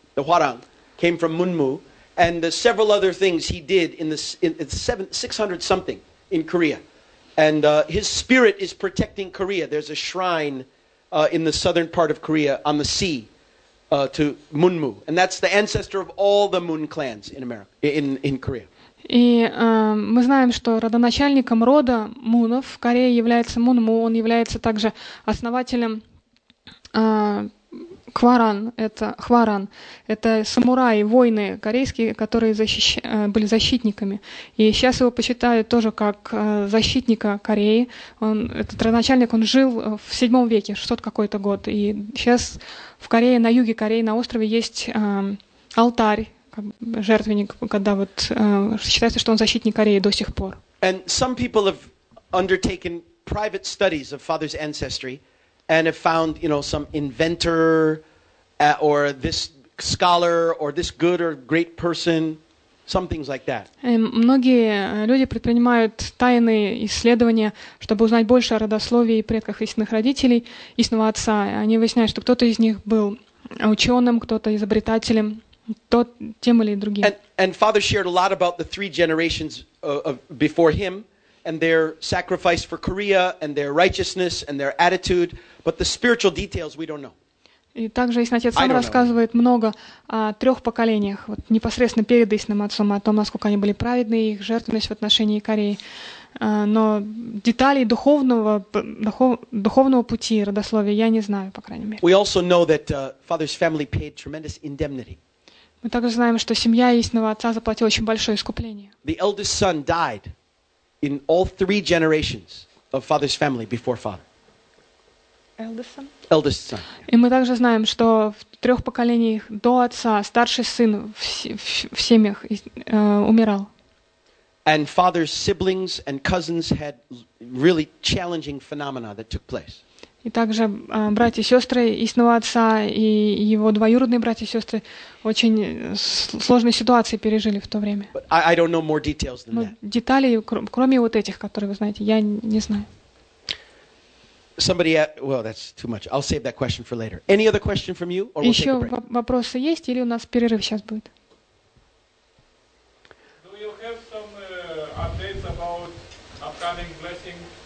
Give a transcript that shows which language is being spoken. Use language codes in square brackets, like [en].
[en] The Hwarang came from Munmu, and the several other things he did in 600 something in Korea. And his spirit is protecting Korea. There's a shrine in the southern part of Korea on the sea. To Munmu, and that's the ancestor of all the Moon clans in America, in Korea. [ru] И мы знаем, что родоначальником рода Мунов в Корее является Мунму. Он является также основателем Хваран. Это самураи, воины корейские, которые были защитниками. И сейчас его почитают тоже как защитника Кореи. Этот родоначальник, он жил в 7 веке, 600 какой-то год. И сейчас в Корее, на юге Кореи, на острове есть алтарь, как жертвенник, когда вот считается, что он защитник Кореи до сих пор. [en] And some people have undertaken private studies of father's ancestry. And have found, you know, some inventor, or this scholar, or this good or great person, some things like that. [ru] Многие люди предпринимают тайные исследования, чтобы узнать больше о родословии предков истинных родителей, истинного отца. Они выясняют, что кто-то из них был ученым, кто-то изобретателем, тот тем или другим. [en] And father shared a lot about the three generations before him. And their sacrifice for Korea, and their righteousness, and their attitude, but the spiritual details we don't know. [ru] И также Иснатец сам рассказывает много о трех поколениях, вот непосредственно перед истинным отцом, о том, насколько они были праведны, их жертвенность в отношении Кореи. Но деталей духовного пути родословия я не знаю, по крайней мере. [en] We also know that father's family paid tremendous indemnity. [ru] Мы также знаем, что семья истинного отца заплатила очень большое искупление. [en] The eldest son died. In all three generations of father's family before father. Eldest son. [ru] И мы также знаем, что в трех поколениях до отца старший сын в семьях умирал. [en] And father's siblings and cousins had really challenging phenomena that took place. [ru] И также братья и сестры истинного отца и его двоюродные братья и сестры очень сложные ситуации пережили в то время. [en] I don't know more details than that. [ru] Детали, кроме вот этих, которые вы знаете, я не знаю. [en] Somebody asked, well, that's too much. I'll save that question for later. Any other question from you, or [ru] еще вопросы есть, или у нас перерыв сейчас будет? [en] Do you have some updates about upcoming blessings?